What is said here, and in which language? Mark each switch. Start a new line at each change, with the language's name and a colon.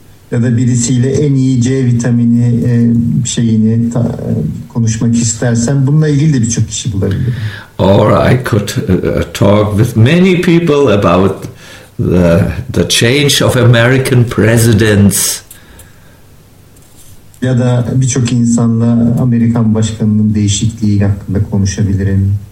Turkish: Ya da birisiyle en iyi C vitamini şeyini konuşmak istersen bununla ilgili de birçok kişi bulabilirim.
English: Or I could talk with many people about the change of American presidents.
Turkish: Ya da birçok insanla Amerikan başkanının değişikliği hakkında konuşabilirim.